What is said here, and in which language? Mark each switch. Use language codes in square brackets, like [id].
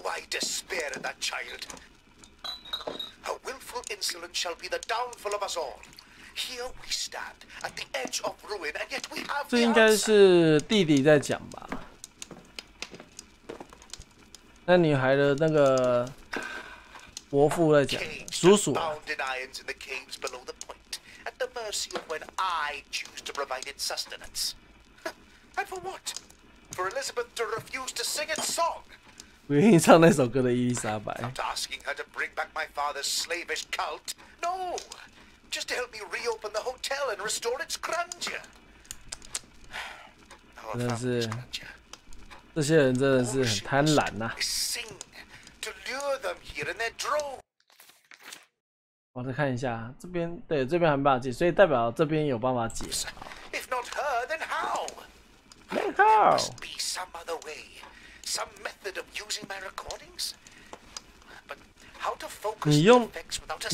[en] Despair in that child. Her willful insolence shall be the downfall of us all. Here we stand at the edge of ruin, and yet we have. [zh] 这应该是弟弟在讲吧？那女孩的那个伯父在讲，叔叔。 [en] Bound in irons in the caves below the point, at the mercy of when I choose to provide its sustenance. And for what? For Elizabeth to refuse to sing its song. [zh] 我愿意唱那首歌的伊丽莎白。 [en] Not asking her to bring back my father's slavish cult. No, just to help me reopen the hotel and restore its grandeur. [zh] 真的是，这些人真的是很贪婪呐、啊。 [en] Sing to lure them here in their droves. [zh] 我再看一下这边，对，这边还没办法解，所以代表这边有办法解。 [en] If not her, then how? Then how? Must be some other way. Some method of using my recordings, but how to focus the effects without a singer?